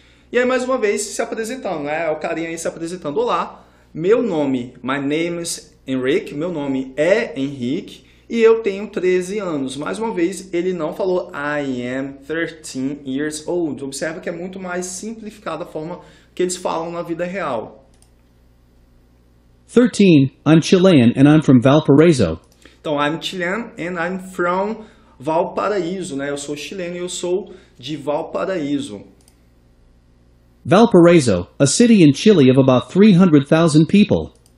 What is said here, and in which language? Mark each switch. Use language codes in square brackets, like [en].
[pt] E aí, mais uma vez, se apresentando, né? O carinha aí se apresentando. Olá, meu nome, [en] my name is Enrique, [pt] meu nome é Henrique e eu tenho 13 anos. Mais uma vez, ele não falou [en] I am 13 years old. [pt] Observa que é muito mais simplificada a forma que eles falam na vida real. [en] 13, I'm Chilean and I'm from Valparaiso. Então, I'm Chilean and I'm from Valparaíso, né? [pt] Eu sou chileno e eu sou de Valparaíso. [en] Valparaiso, a city in Chile of about 300,000 people.